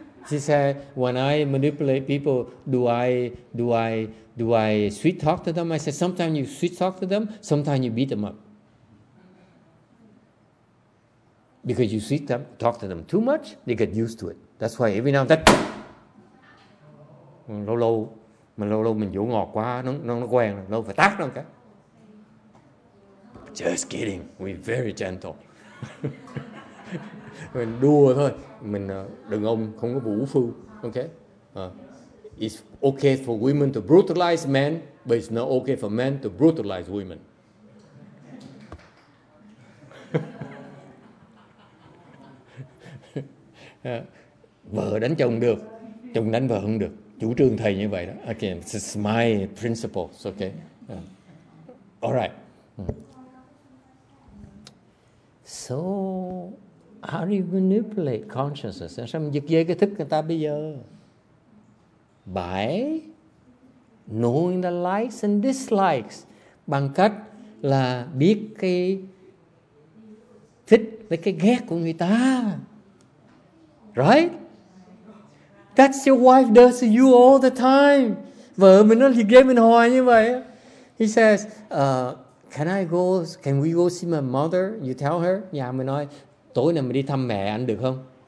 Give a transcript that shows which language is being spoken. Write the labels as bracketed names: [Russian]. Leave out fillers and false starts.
[English] She said, when I manipulate people, do I sweet talk to them? I said, sometimes you sweet talk to them, sometimes you beat them up. Because you sweet talk to them too much, they get used to it. That's why every now and then, [Vietnamese] lâu lâu mình dỗ ngọt quá, nó quen rồi, lâu phải tát nó cái. [English] Just kidding. We're very gentle. [Vietnamese] Mình đùa thôi. Mình đàn ông không có vũ phu. [English] Okay? It's okay for women to brutalize men, but it's not okay for men to brutalize women. [Vietnamese] Vợ đánh chồng được. Chồng đánh vợ không được. Chủ trương thầy như vậy đó. [English] Okay, it's my principles. Okay? Alright. So, how do you manipulate consciousness? [Vietnamese] Sao mình giật dây cái thức người ta bây giờ? [English] By knowing the likes and dislikes. [Vietnamese] Bằng cách là biết cái thích với cái ghét của người ta. [English] Right? That's your wife does to you all the time. [Vietnamese] Vợ mình nó giật dây mình hoài như vậy. [English] He says, can we go see my mother? You tell her. [Vietnamese] Yeah, mình nói, tối nay mình đi thăm mẹ anh được không?